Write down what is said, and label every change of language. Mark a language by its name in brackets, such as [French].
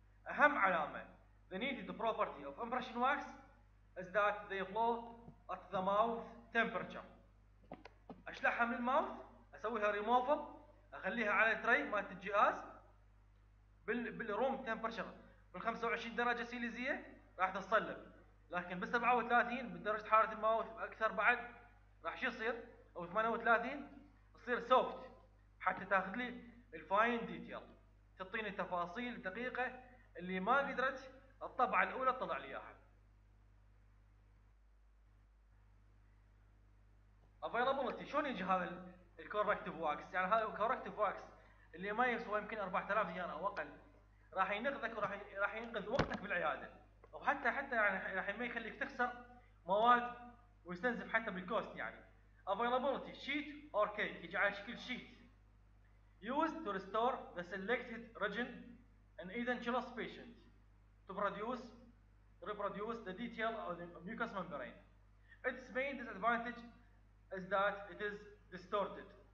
[Arabic] اهم علامه [English] the needed property of impression wax is that they flow at the mouth temperature. [Arabic] اشلحها من الماوث اسويها ريموفل اخليها على التري مالت الجهاز بالروم تمبرشر بال 25 درجه سيليزيه راح تصلب. لكن بال 37 بدرجه حراره الماوث اكثر بعد راح شو يصير او 38 تصير سوفت حتى تاخذ لي الفاين ديتيل تعطيني تفاصيل دقيقه اللي ما قدرت الطبعه الاولى تطلع لي اياها. افيلابيلتي شلون يجي هذا الكوركتيف واكس؟ يعني هذا الكوركتيف واكس اللي ما يسوى يمكن 4000 دينار او اقل راح ينقذك وراح ينقذ وقتك بالعياده وحتى يعني راح ما يخليك تخسر مواد ويستنزف حتى بالكوست. يعني افيلابيلتي شيت اور كيك يجي على شكل شيت [English] used to restore the selected region in edentulous patient to reproduce the detail of the mucous membrane. Its main disadvantage is that it is distorted.